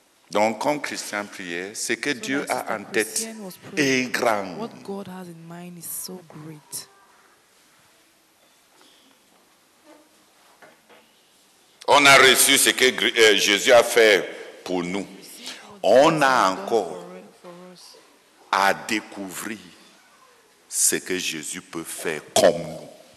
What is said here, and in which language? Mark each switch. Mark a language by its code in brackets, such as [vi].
[fr] Donc, comme Christian priait, ce que Dieu a en tête est grand. [en] What God has in mind is so great. [fr] On a reçu ce que Jésus a fait pour nous. On a encore à découvrir ce que Jésus peut faire comme nous.